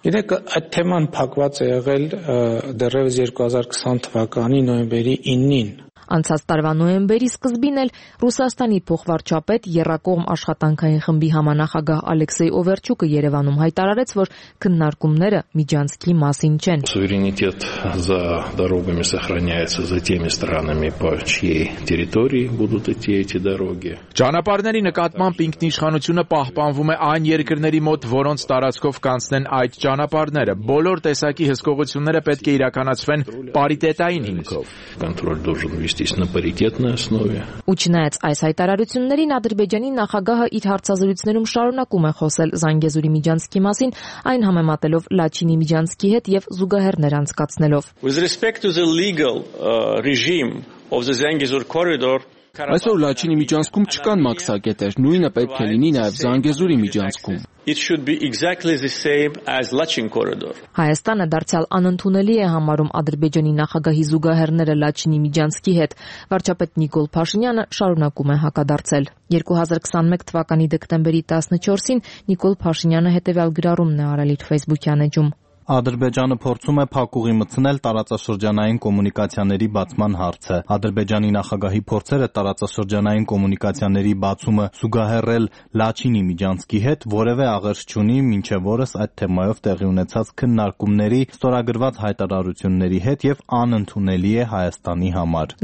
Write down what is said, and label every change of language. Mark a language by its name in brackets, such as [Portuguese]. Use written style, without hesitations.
[Armenian] Գիտեք, այդ թեման փակված է եղել դեռևս 2020 թվականի նոյեմբերի 9-ին։ Անցած տարվա նոյեմբերի սկզբին էլ Ռուսաստանի փոխվարչապետ Եռակողմ աշխատանքային խմբի համանախագահ Ալեքսեյ Օվերչուկը Երևանում հայտարարեց, որ քննարկումները միջանցքի մասին չեն։ [Russian] Суверенитет за дорогами сохраняется за теми странами, по чьей территории будут идти эти дороги։ [Armenian] Ճանապարհների նկատմամբ ինքնիշխանությունը պահպանվում է այն երկրների մոտ, որոնց տարածքով կանցնեն այդ ճանապարհները։ Բոլոր տեսակի հսկողությունները պետք է իրականացվեն պարիտետային հիմքով։ [Russian] Կոնտրոլ դուժ здесь на паритетной основе. [Armenian] Ուչնայած այս հայտարարություններին Ադրբեջանի նախագահը իր հարցազրույցներում շարունակում է խոսել Զանգեզուրի Միջանցքի մասին, այն համեմատելով Լաչինի Միջանցքի հետ եւ զուգահեռներ անցկացնելով. [English] With respect to the legal regime of the Zangezur corridor, [Armenian] այսօր Լաչինի միջանցքում չկան մաքսակետեր, նույնը պետք է լինի նաև Զանգեզուրի միջանցքում. [English] It should be exactly the same as Lachin corridor. [Armenian] Հայաստանը դարձյալ անընդունելի է համարում Ադրբեջանի նախագահի զուգահեռները Լաչինի միջանցքի հետ։ Վարչապետ Նիկոլ Փաշինյանը շարունակում է հակադարձել. 2021 թվականի դեկտեմբերի 14-ին Նիկոլ Փաշինյանը հետևյալ գրառումն է արել իր Facebook-յան էջում։ Ադրբեջանը փորձում է փակուղի մտցնել տարածաշրջանային կոմունիկացիաների բացման հարցը։ Ադրբեջանի նախագահի փորձերը տարածաշրջանային կոմունիկացիաների բացումը զուգահեռել Լաչինի միջանցքի հետ որևէ աղերս չունի, մինչև օրս այդ թեմայով տեղի ունեցած քննարկումների ստորագրված հայտարարությունների հետ եւ անընդունելի է Հայաստանի համար։